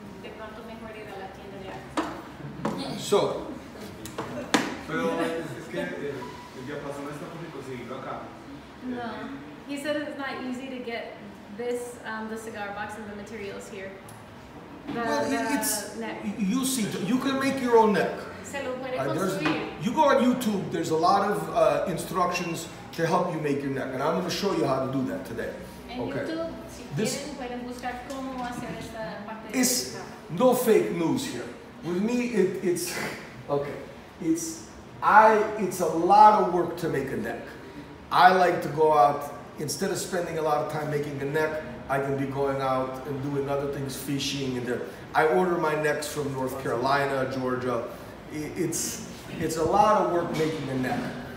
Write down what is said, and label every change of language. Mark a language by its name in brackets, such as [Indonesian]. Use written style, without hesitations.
[Spanish] De pronto mejor ir a la tienda de arte. [English] So, [Spanish] pero es que el diapasón está por conseguirlo acá. [English] No, he said it's not easy to get this the cigar box and the materials here. neck. You see, you can make your own neck. [Spanish] Se lo puede construir. [English] You go on YouTube, there's a lot of instructions to help you make your neck, and I'm going to show you how to do that today. En okay. [Spanish] YouTube, si quieren, pueden buscar cómo hacer esta parte de [English] it's [Spanish] esta. [English] No fake news here. With me, it's okay. It's a lot of work to make a neck. I like to go out, instead of spending a lot of time making a neck, I can be going out and doing other things, fishing and there. I order my necks from North Carolina, Georgia. It's a lot of work making a neck.